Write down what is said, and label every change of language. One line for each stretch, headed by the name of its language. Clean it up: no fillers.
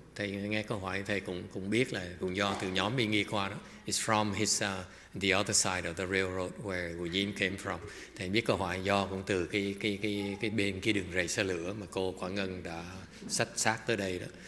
Vietnamese: Thầy nghe câu hỏi thầy cũng biết là cũng do từ nhóm bên nghi qua đó.
English: It's from his the other side of the railroad where Guyin came from.
Vietnamese: Thầy biết câu hỏi do cũng từ cái bên cái đường rầy xe lửa mà cô Quảng Ngân đã sách xác tới đây đó.